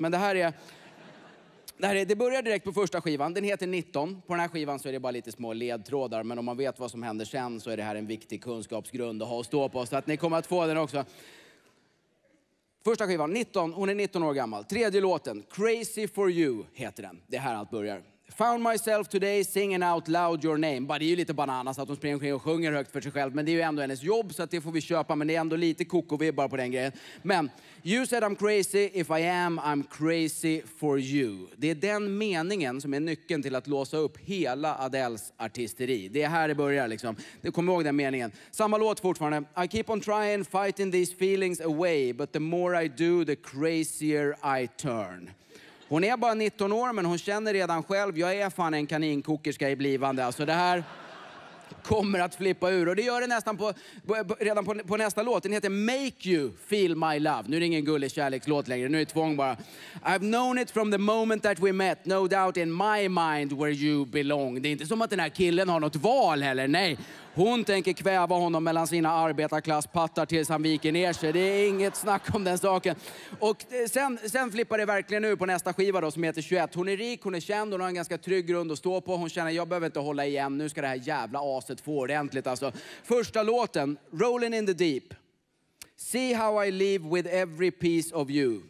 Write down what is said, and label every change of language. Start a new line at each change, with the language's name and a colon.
Swedish: Men det börjar direkt på första skivan. Den heter 19. På den här skivan så är det bara lite små ledtrådar. Men om man vet vad som händer sen så är det här en viktig kunskapsgrund att ha och stå på. Så att ni kommer att få den också. Första skivan, 19, hon är 19 år gammal. Tredje låten, Crazy For You heter den. Det är här allt börjar.
English: Found myself today singing out loud your name.
Swedish: Bara, det är ju lite bananas att hon springer omkring och sjunger högt för sig själv. Men det är ju ändå hennes jobb så att det får vi köpa. Men det är ändå lite kokovibbar på den grejen. Men,
English: you said I'm crazy, if I am, I'm crazy for you.
Swedish: Det är den meningen som är nyckeln till att låsa upp hela Adeles artisteri. Det är här det börjar liksom. Du kommer ihåg den meningen. Samma låt fortfarande.
English: I keep on trying, fighting these feelings away. But the more I do, the crazier I turn.
Swedish: Hon är bara 19 år, men hon känner redan själv, jag är fan en kaninkokerska i blivande. Alltså det här kommer att flippa ur. Och det gör det nästan redan på nästa låt. Den heter Make You Feel My Love. Nu är det ingen gullig kärlekslåt längre. Nu är det tvång bara.
English: I've known it from the moment that we met. No doubt in my mind where you belong.
Swedish: Det är inte som att den här killen har något val heller. Nej, hon tänker kväva honom mellan sina arbetarklasspattar tills han viker ner sig. Det är inget snack om den saken. Och sen flippar det verkligen nu på nästa skiva då som heter 21. Hon är rik, hon är känd, hon har en ganska trygg grund att stå på. Hon känner jag behöver inte hålla igen. Nu ska det här jävla aset få ordentligt alltså. Första låten, Rolling in the Deep.
English: See how I live with every piece of you.